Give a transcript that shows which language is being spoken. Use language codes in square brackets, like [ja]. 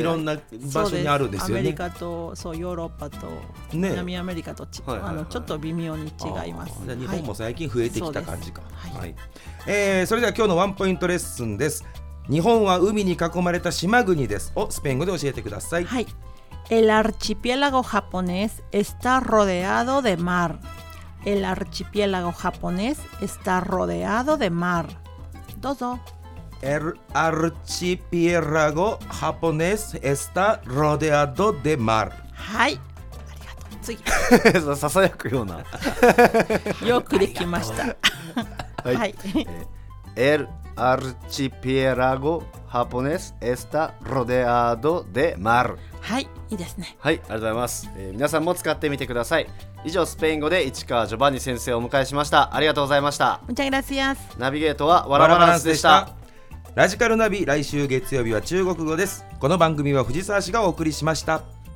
[ja] いろんな場所にあるんですよね。アメリカと、そう、ヨーロッパと南アメリカと、ね、はいはいはい、ちょっと微妙に違います。日本も最近増えてきた感じか。はい、はい、それでは今日のワンポイントレッスンです。日本は海に囲まれた島国ですをスペイン語で教えてください。 [es] はい、El archipiélago japonés está rodeado de mar. El archipiélago japonés está rodeado de mar. [ja] どうぞ。 [es] El archipiélago japonés está rodeado de mar. [ja] はい、ありがとう。次。ささやくような。よくできました。はい。 [es] El archipiélago japonés está rodeado de mar. [ja] はい、いいですね。はい、ありがとうございます。皆さんも使ってみてください。以上、スペイン語で市川ジョバンニ先生をお迎えしました。ありがとうございました。 [es] Muchas gracias。 [ja] ナビゲートはワラバランスでした。ラジカルナビ、来週月曜日は中国語です。この番組は藤沢氏がお送りしました。